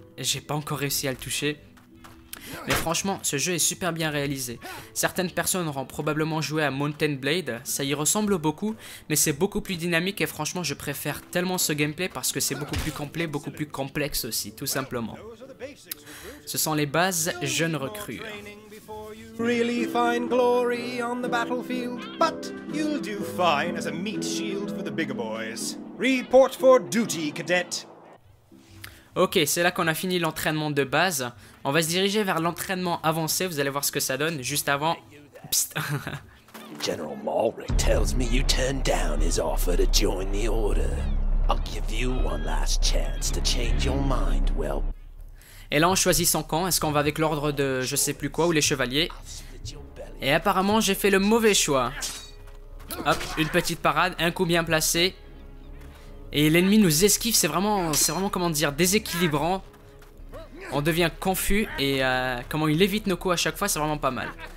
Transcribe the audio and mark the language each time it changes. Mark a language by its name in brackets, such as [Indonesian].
[French] J'ai pas encore réussi à le toucher. Mais franchement, ce jeu est super bien réalisé. Certaines personnes auront probablement joué à Mountain Blade. Ça y ressemble beaucoup, mais c'est beaucoup plus dynamique. Et franchement, je préfère tellement ce gameplay parce que c'est beaucoup plus complet, beaucoup plus complexe aussi, tout simplement. Ce sont les bases jeunes recrues. [English] Really fine glory on the battlefield, but you'll do fine as a meat shield for the bigger boys. Report for duty, cadet. [French] Ok, c'est là qu'on a fini l'entraînement de base. On va se diriger vers l'entraînement avancé. Vous allez voir ce que ça donne juste avant. Psst. [English] General Malric tells me you turned down his offer to join the order. I'll give you one last chance to change your mind. [French] Well. Et là, on choisit son camp. Est-ce qu'on va avec l'ordre de je sais plus quoi ou les chevaliers? Et apparemment, j'ai fait le mauvais choix. Hop, une petite parade, un coup bien placé. Et l'ennemi nous esquive, c'est vraiment, comment dire, déséquilibrant. On devient confus et comment il évite nos coups à chaque fois, c'est vraiment pas mal.